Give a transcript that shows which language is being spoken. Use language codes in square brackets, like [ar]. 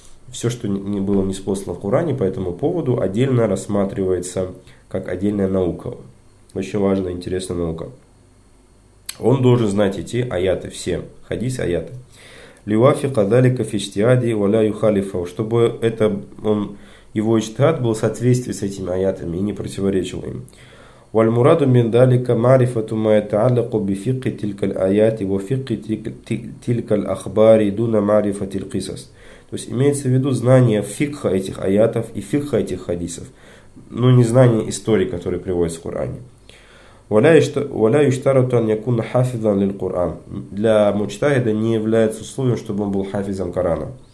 [ru] Все, что не было ниспослано в Коране по этому поводу, отдельно рассматривается как отдельная наука. Очень важная, интересная наука. Он должен знать эти аяты, все хадисы, аяты. [ar] Ливафи кадалика фиштиади валя юхалифа, [ru] чтобы это, он, его ичтихад был в соответствии с этими аятами и не противоречил им. [ar] والمراد من ذلك معرفة ما يتعلق بفقه تلك الآيات وفقه تلك الأخبار دون معرفة القصص. [ru] То есть имеется в виду знание фикха этих аятов и фикха этих хадисов, но не знание истории, которые приводятся в Коране. [ar] ولا يشترط أن يكون حافظا للقرآن. [ru] Для мучтахида не является условием, чтобы он был хафизом Корана.